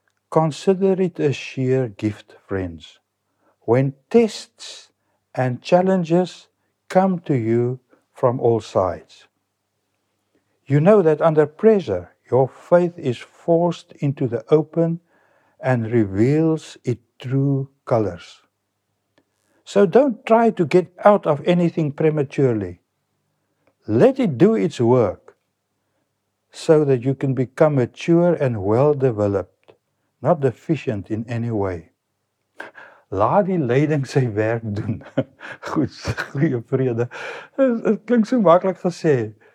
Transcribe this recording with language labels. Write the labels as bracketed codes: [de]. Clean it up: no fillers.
[en] Consider it a sheer gift, friends. When tests and challenges come to you from all sides, you know that under pressure, your faith is forced into the open and reveals its true colors. So don't try to get out of anything prematurely. Let it do its work so that you can become mature and well-developed, not deficient in any way. [af] Laat die leiding sy werk doen. Goed, goeie vrede. Het klink so makkelijk gesê.